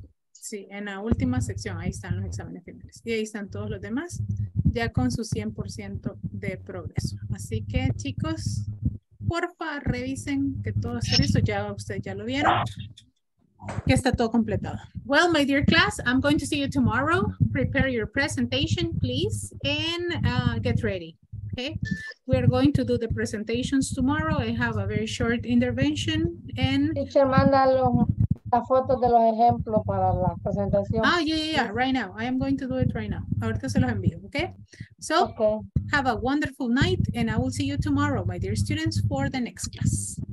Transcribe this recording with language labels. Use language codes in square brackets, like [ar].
[es] Sí, en la última sección, ahí están los exámenes finales. Y ahí están todos los demás, ya con su 100% de progreso. Así que, chicos, porfa, revisen que todo está listo. Ya ustedes ya lo vieron, que está todo completado. [en] Well, my dear class, I'm going to see you tomorrow. Prepare your presentation, please, and get ready. Okay, we are going to do the presentations tomorrow. I have a very short intervention. And [es] teacher, mándalo la foto de los ejemplos para la presentación. [en] Ah, yeah, right now. I am going to do it right now. [es] Ahorita se los envío, [en] okay? So, okay. Have a wonderful night, and I will see you tomorrow, my dear students, for the next class.